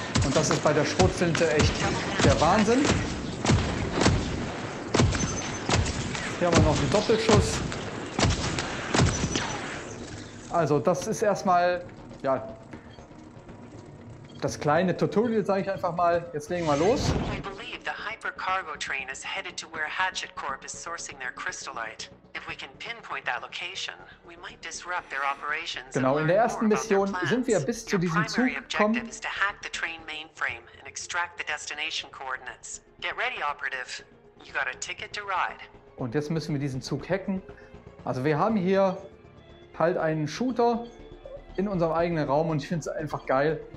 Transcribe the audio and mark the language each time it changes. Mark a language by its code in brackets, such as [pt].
[de] Und das ist bei der Schrotflinte echt der Wahnsinn. Hier haben wir noch einen Doppelschuss. Also das ist erstmal ja, das kleine Tutorial, sage ich einfach mal. Jetzt legen wir los. [en] Cargo train is headed to where Hatchet Corp is sourcing their crystallite. If we can pinpoint that location, we might disrupt their operations. [de] Genau, in der ersten Mission sind wir bis zu diesem Zug gekommen. [en] Objective is to hack the train mainframe and extract the destination coordinates. Get ready, operative. You got a ticket to ride. [de] Und jetzt müssen wir diesen Zug hacken. Also wir haben hier halt einen Shooter in unserem eigenen Raum und ich finde es einfach geil.